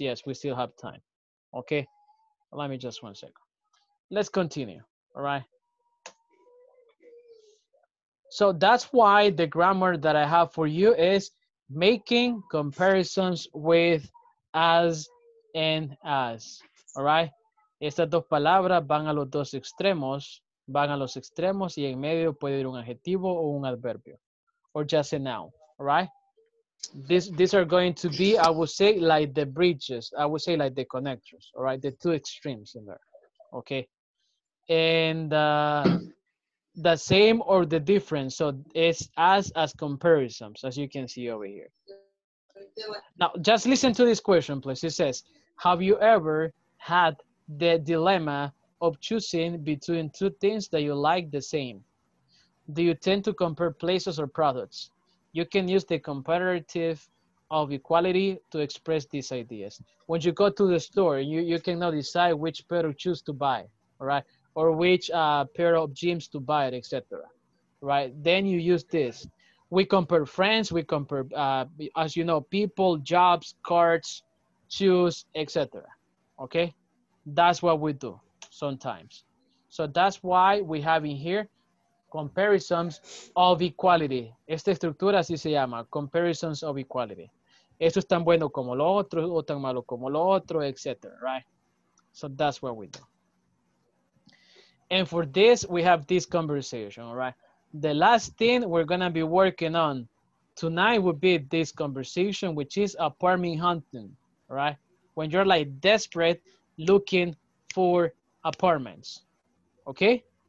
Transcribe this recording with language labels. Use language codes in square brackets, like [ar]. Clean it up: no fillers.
[en] Yes, we still have time. Okay, let me just 1 second. Let's continue, all right? So that's why the grammar that I have for you is making comparisons with as and as, all right? [es] Estas dos palabras van a los dos extremos, van a los extremos y en medio puede ir un adjetivo o un adverbio, [en] or just a noun, all right? These are going to be, I would say, like the bridges, I would say like the connectors, all right? The two extremes in there, okay? And the same or the different, so it's as comparisons, as you can see over here. Now, just listen to this question, please. It says, have you ever had the dilemma of choosing between two things that you like the same? Do you tend to compare places or products? You can use the comparative of equality to express these ideas. When you go to the store, you cannot decide which pair to choose to buy, all right? Or which pair of jeans to buy, etc. Right? Then you use this. We compare friends. We compare, as you know, people, jobs, cards, shoes, etc. Okay? That's what we do sometimes. So that's why we have in here comparisons of equality. [es] Esta estructura así se llama, [en] comparisons of equality. [es] Esto es tan bueno como lo otro, o tan malo como lo otro, etc. [en] Right? So that's what we do. And for this, we have this conversation, all right? The last thing we're going to be working on tonight would be this conversation, which is apartment hunting, right? When you're like desperate looking for apartments, okay?